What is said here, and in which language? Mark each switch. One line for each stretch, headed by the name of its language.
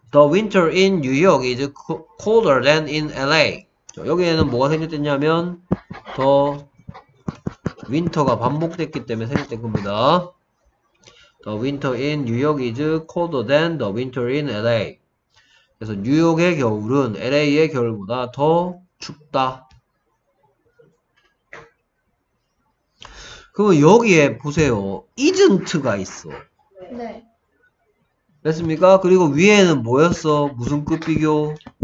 English: The winter in New York is colder than in LA.
Korean: 여기에는 뭐가 생겼냐면 더 윈터가 반복됐기 때문에 생겼던 겁니다.
English: The winter in New York is colder than the winter in LA.
Korean: 그래서 뉴욕의 겨울은 LA의 겨울보다 더 춥다. 그럼 여기에 보세요. isn't가 있어. 네. 됐습니까? 그리고 위에는 뭐였어? 무슨 급 비교?